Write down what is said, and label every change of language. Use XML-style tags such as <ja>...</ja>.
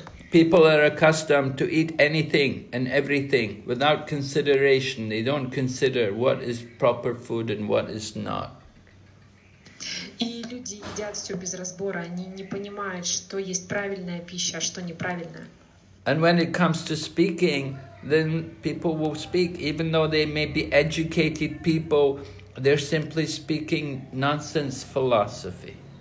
<en>People are accustomed to eat anything and everything without consideration. They don't consider what is proper food and what is not.</en> <ru>И люди едят все без разбора. Они не понимают, что есть правильная пища, а что неправильная.</ru> <en>And when it comes to speaking, then people will speak, even though they may be educated people, they're simply speaking nonsense philosophy.</en>